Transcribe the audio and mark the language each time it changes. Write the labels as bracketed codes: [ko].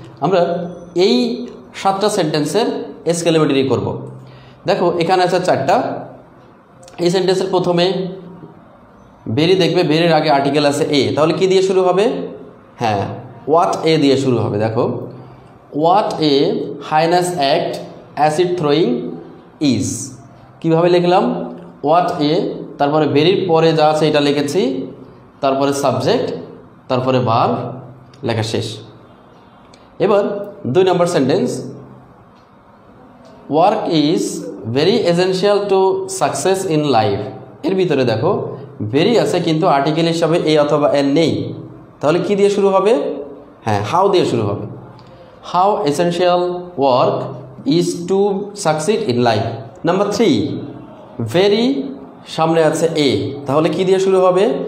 [bn] আমরা এই সাতটা সেন্টেন্সের এক্সক্লেমেটরি করব। দেখো এখানে আছে চারটা, এই সেন্টেন্সের প্রথমে ভেরি দেখবে, ভেরির আগে আর্টিকেল আছে এ, তাহলে কী দিয়ে শুরু হবে? হ্যাঁ, হোয়াট এ দিয়ে শুরু হবে। দেখো [en] What a heinous act acid throwing is. [bn] কিভাবে লিখলাম? What a তারপরে verb পরে যা আছে এটা লিখেছি, তারপরে subject, তারপরে verb লেখা শেষ। এবার দুই নম্বর sentence, [en] work is very essential to success in life. [bn] এর ভিতরে দেখো very আছে কিন্তু আর্টিকেল হিসাবে এ অথবা এন নেই, তাহলে কি দিয়ে শুরু হবে? হ্যাঁ, হাউ দিয়ে শুরু হবে। [en] How essential work is to succeed in life. [bn] Number three, very সামনে আছে এ, তাহলে কি দিয়ে শুরু হবে?